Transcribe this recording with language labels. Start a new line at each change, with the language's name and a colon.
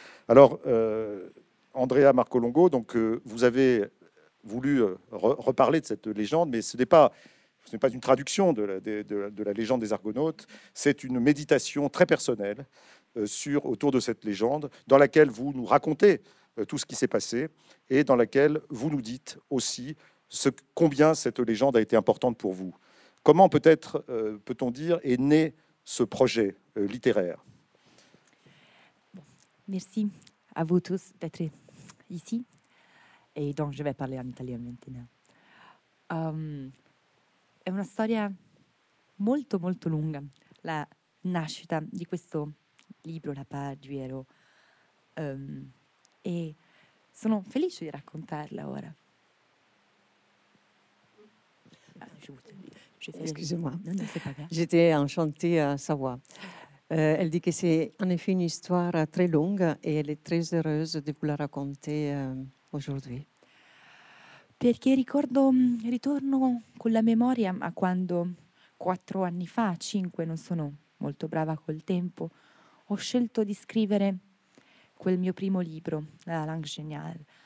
French: Alors, Andrea Marcolongo, donc, vous avez voulu reparler de cette légende, mais ce n'est pas une traduction de la légende des Argonautes, c'est une méditation très personnelle autour de cette légende, dans laquelle vous nous racontez tout ce qui s'est passé et dans laquelle vous nous dites aussi combien cette légende a été importante pour vous. Comment peut-être, peut-on dire, est né ce projet littéraire ? Merci à vous tous d'être ici. Et donc, je vais parler en italien maintenant.
Italian: È una storia molto molto lunga, la nascita di questo libro, La part du héros, e sono felice di raccontarla ora.
French: Excusez-moi, j'étais enchantée à sa voix. Elle dit que c'est en effet une histoire très longue et elle est très heureuse de vous la raconter aujourd'hui.
Italian: Perché ritorno con la memoria a quando 4 anni fa, 5, non sono molto brava col tempo, ho scelto di scrivere quel mio primo libro, La langue géniale.